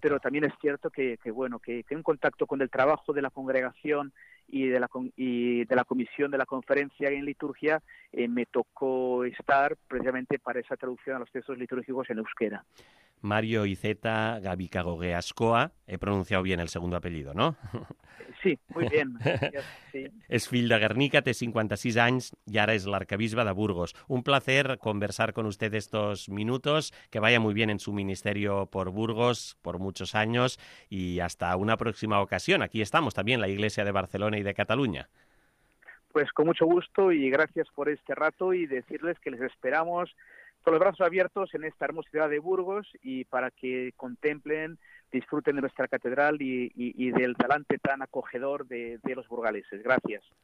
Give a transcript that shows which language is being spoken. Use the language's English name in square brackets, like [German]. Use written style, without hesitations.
[Spanish] Pero también es cierto que un contacto con el trabajo de la congregación y de la comisión de la conferencia en liturgia, me tocó estar precisamente para esa traducción a los textos litúrgicos en euskera. Mario Iceta Gabikagoge Ascoa, he pronunciado bien el segundo apellido, ¿no? Sí, muy bien. [Catalan] És fill de Guernica, té 56 anys i ara és l'arcabisbe de Burgos. [Spanish] Un placer conversar con usted estos minutos, que vaya muy bien en su ministerio por Burgos, por muchos años, y hasta una próxima ocasión. Aquí estamos también, la Iglesia de Barcelona y de Cataluña. Pues con mucho gusto y gracias por este rato, y decirles que les esperamos con los brazos abiertos en esta hermosa ciudad de Burgos, y para que contemplen, disfruten de nuestra catedral y del talante tan acogedor de los burgaleses. Gracias.